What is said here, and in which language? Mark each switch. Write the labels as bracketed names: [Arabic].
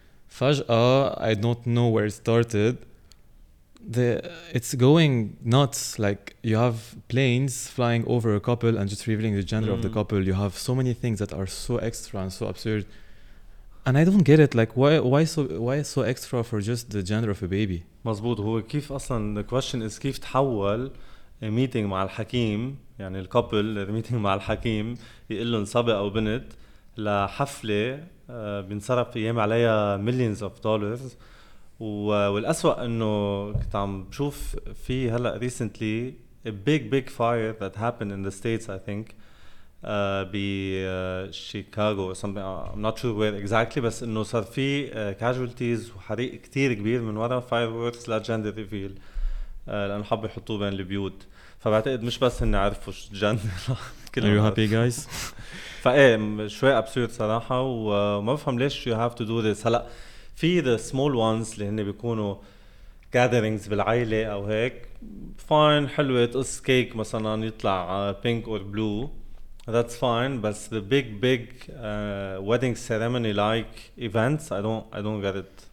[English] فجأة I don't know where it started. It's going nuts. Like, you have planes flying over a couple and just revealing the gender of the couple. You have so many things that are so extra and so absurd, and I don't get it. Like, why so extra for just the gender of a baby? [Arabic] مزبوط. هو كيف أصلاً, the question is كيف تحول a meeting مع الحكيم, يعني the couple, the meeting مع الحكيم, يقول لهم صبي أو بنت, لحفلة بنصرف أيام عليها millions of dollars. والأسوأ إنه كنت عم بشوف في هلا recently a big fire that happened in the states, I think, Chicago or something, I'm not sure where exactly, بس إنه صار في casualties وحريق كتير كبير من وراء fireworks لا gender reveal, لأن حب يحطوه بين البيوت. فبعتقد مش بس إني عارف وش gender. [English] Are you happy, guys? [Arabic] فإيه شوي absurd صراحة, وما بفهم ليش you have to do this. هلا في the small ones اللي هن بيكونوا gatherings بالعائلة أو هيك, fine, حلوة تقص cake مثلا يطلع pink or blue, that's fine. [English] بس the big wedding ceremony like events, I don't get it.